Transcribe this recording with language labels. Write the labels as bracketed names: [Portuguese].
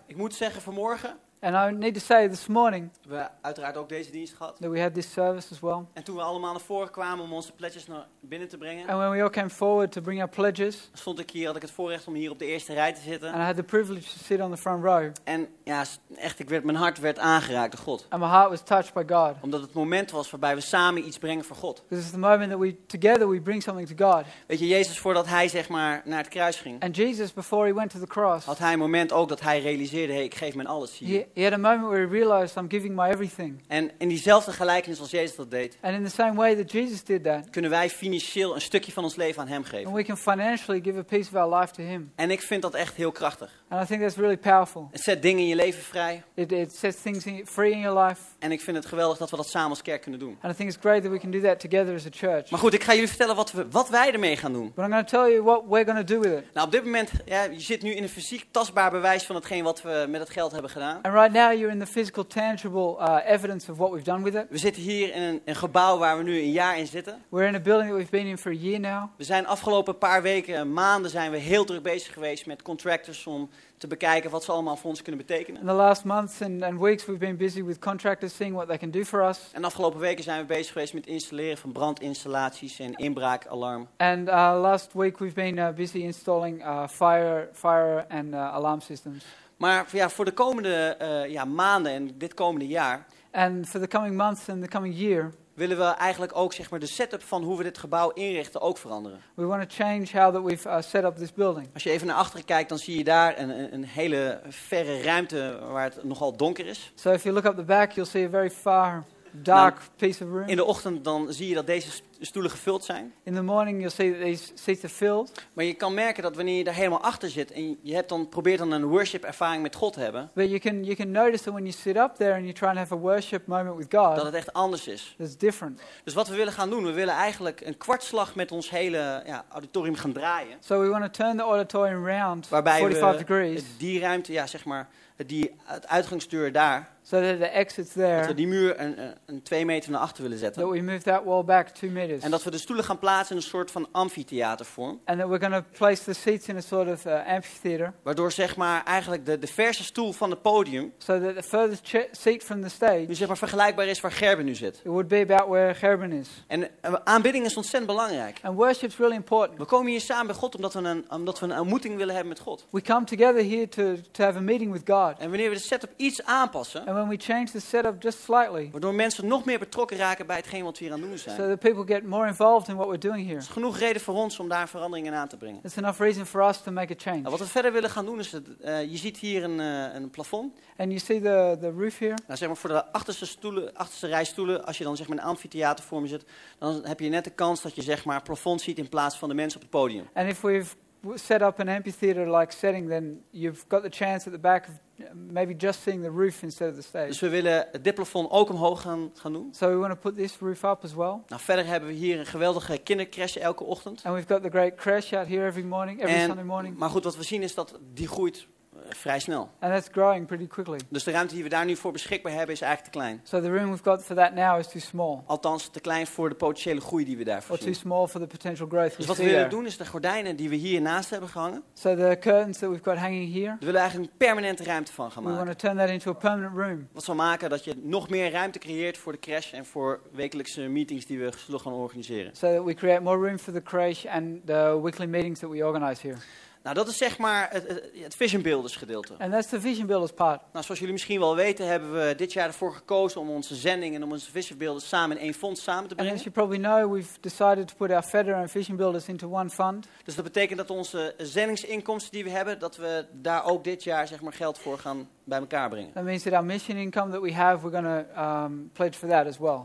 [Dutch] Ik moet zeggen vanmorgen. [English] And I need to say this morning. [Dutch] We uiteraard ook deze dienst gehad. [English] That we had this service as well. [Dutch] En toen we allemaal naar voren kwamen om onze pledges naar binnen te brengen. [English] And when we all came forward to bring our pledges. [Dutch] Stond ik hier, had ik het voorrecht om hier op de eerste rij te zitten. [English] And I had the privilege to sit on the front row. [Dutch] En ja, echt, mijn hart werd aangeraakt door God. [English] And my heart was touched by God. [Dutch] Omdat het moment was waarbij we samen iets brengen voor God. [English] This is the moment that we together we bring something to God. [Dutch] Weet je, Jezus voordat hij zeg maar naar het kruis ging. [English] And Jesus before he went to the cross. [Dutch] Had hij een moment ook dat hij realiseerde, hey, ik geef mijn alles hier. [English] He had a moment where he realized I'm giving my everything. [Dutch] En in diezelfde gelijkenis als Jezus dat deed. [English] And in the same way that Jesus did that. [Dutch] Kunnen wij financieel een stukje van ons leven aan hem geven. [English] And we can financially give a piece of our life to him. [Dutch] En ik vind dat echt heel krachtig. [English] And I think that's really powerful. [Dutch] Het zet dingen in je leven vrij. [English] It sets things free in your life. [Dutch] En ik vind het geweldig dat we dat samen als kerk kunnen doen. [English] And I think it's great that we can do that together as a church. [Dutch] Maar goed, ik ga jullie vertellen wat wij ermee gaan doen. [English] But I'm going to tell you what we're going to do with it. [Dutch] Nou, op dit moment, ja, je zit nu in een fysiek tastbaar bewijs van hetgeen wat we met het geld hebben gedaan. [English] And right now you're in the physical tangible evidence of what we've done with it. [Dutch] We zitten hier in een gebouw waar we nu een jaar in zitten. [English] We're in a building that we've been in for a year now. [Dutch] We zijn afgelopen paar weken en maanden zijn we heel druk bezig geweest met contractors om te bekijken wat ze allemaal voor ons kunnen betekenen. [English] In the last months and weeks we've been busy with contractors seeing what they can do for us. [Dutch] En afgelopen weken zijn we bezig geweest met installeren van brandinstallaties en inbraakalarm. [English] And last week we've been busy installing fire and alarm systems. [Dutch] Maar ja, voor de komende maanden en dit komende jaar. [English] And for the coming months and the coming year. [Dutch] willen we eigenlijk ook zeg maar de setup van hoe we dit gebouw inrichten ook veranderen. [English] We want to change how that we've set up this building. [Dutch] Als je even naar achteren kijkt, dan zie je daar een hele verre ruimte waar het nogal donker is. [English] So if you look up the back, you'll see a very far dark piece of room. [Dutch] In de ochtend dan zie je dat deze stoelen gevuld zijn. [English] In the morning you'll see that these seats are filled. [Dutch] Maar je kan merken dat wanneer je daar helemaal achter zit en je hebt dan probeert dan een worship ervaring met God te hebben. [English] But you can notice that when you sit up there and you try and have a worship moment with God. [Dutch] Dat het echt anders is. [English] It's different. [Dutch] Dus wat we willen gaan doen, we willen eigenlijk een kwartslag met ons hele auditorium gaan draaien. [English] So we want to turn the auditorium around 45 degrees. [Dutch] Die ruimte zeg maar die het uitgangsdeur daar. [English] So that the exit's there. [Dutch] Dat we die muur een 2 meter naar achter willen zetten. [English] That we move that wall back 2 meters. [Dutch] En dat we de stoelen gaan plaatsen in een soort van amfitheatervorm. [English] And that we're going to place the seats in a sort of amphitheater. [Dutch] Waardoor zeg maar eigenlijk de verse stoel van het podium. [English] So that the furthest seat from the stage. [Dutch] Nu zeg maar vergelijkbaar is waar Gerben nu zit. [English] It would be about where Gerben is. [Dutch] En aanbidding is ontzettend belangrijk. [English] And worship's really important. [Dutch] We komen hier samen bij God omdat we een ontmoeting willen hebben met God. [English] We come together here to have a meeting with God. [Dutch] En wanneer we de setup iets aanpassen. [English] And when we change the setup just slightly, [Dutch] waardoor mensen nog meer betrokken raken bij hetgeen wat we hier aan doen zijn. [English] So that people get more involved in what we're doing here. [Dutch] Is genoeg reden voor ons om daar veranderingen aan te brengen. [English] It's enough reason for us to make a change. [Dutch] Nou, wat we verder willen gaan doen is dat je ziet hier een plafond. [English] And you see the roof here. [Dutch] Nou, zeg maar voor de achterste rij stoelen, als je dan zeg maar een amfitheater voor me zit, dan heb je net de kans dat je zeg maar plafond ziet in plaats van de mensen op het podium. [English] And if we've set up an amphitheater like setting, then you've got the chance at the back of maybe just seeing the roof instead of the stage. [Dutch] Dus we willen dit plafond ook omhoog gaan doen. [English] So we want to put this roof up as well. [Dutch] Nou, verder hebben we hier een geweldige kindercrash elke ochtend. [English] And we've got the great crash out here every morning, Sunday morning. [Dutch] Maar goed, wat we zien is dat die groeit vrij snel. [English] And that's growing pretty quickly. [Dutch] Dus de ruimte die we daar nu voor beschikbaar hebben is eigenlijk te klein. [English] So the room we've got for that now is too small. [Dutch] Althans te klein voor de potentiële groei die we daarvoor zien. [English] Or too small for the potential growth. [Dutch] Dus wat we willen doen is de gordijnen die we hier naast hebben gehangen. [English] So the curtains that we've got hanging here. [Dutch] We willen eigenlijk een permanente ruimte van gaan maken. [English] We want to turn that into a permanent room. [Dutch] Wat zal maken dat je nog meer ruimte creëert voor de crash en voor wekelijkse meetings die we zullen gaan organiseren. [English] So that we create more room for the crash and the weekly meetings that we organize here. [Dutch] Nou, dat is zeg maar het vision builders gedeelte. [English] And that's the vision builders part. [Dutch] Nou, zoals jullie misschien wel weten, hebben we dit jaar ervoor gekozen om onze zending en om onze vision builders samen in één fonds samen te brengen. [English] And as you probably know, we've decided to put our Feder and vision builders into one fund. [Dutch] Dus dat betekent dat onze zendingsinkomsten die we hebben, dat we daar ook dit jaar zeg maar geld voor gaan bij elkaar brengen. [English] That means that our mission income that we have, we're going to pledge for that as well.